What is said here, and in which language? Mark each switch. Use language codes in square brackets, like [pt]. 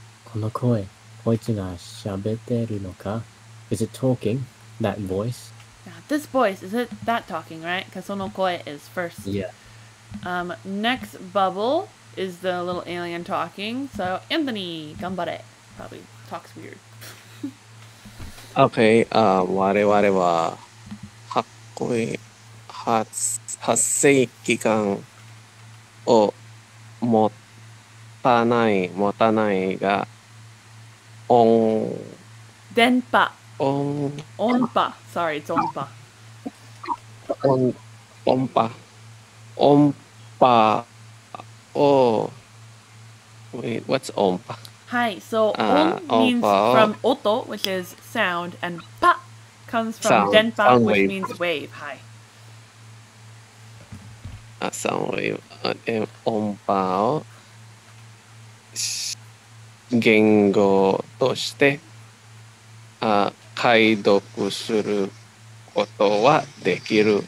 [ja] この声、こいつが喋ってるのか? [en] Is it talking? That voice? Now, this voice, is it that talking, right? Because [ja] その声 [en] is first. Yeah. Next bubble is the little alien talking. So, Anthony, gambare. Probably talks weird. [ja] Okay, wareware wa hakkoi hatsei kikan を持たない、持たないが、音。電波。音。 [en] 音波。Sorry, it's 音波。 [ja] 音波。音波を、 [en] wait, what's [ja] 音波? [en] Hi, so 音 means from 音, which is sound, and 波 comes from 電波, which wave. Means wave. Hi. [ja] サウンドウェーブ音波を言語として解読することはできる。